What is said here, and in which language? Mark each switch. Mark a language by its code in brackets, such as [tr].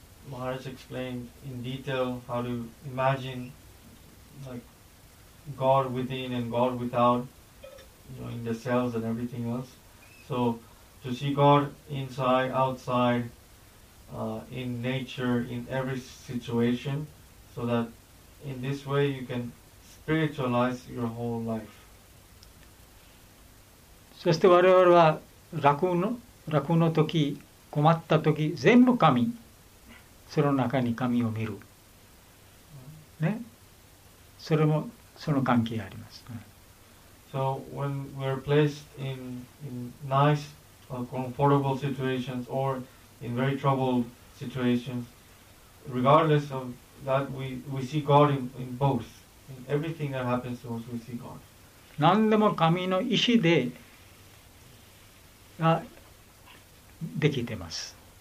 [en] Maharaj explained in detail how to imagine like God within and God without, you know, in the cells and everything else. So to see God inside, outside, in nature, in every situation, so that in this way you can spiritualize your whole life. [ja] そして我々は楽の時、困った時、全部神、その中に神を見る、ね、それもその関係があります、ね。 [en] So when we're placed in nice or comfortable situations or in very troubled situations, regardless of that, we see God in both. In everything that happens to us, we see God. [ja] 何でも神の意思でができてます。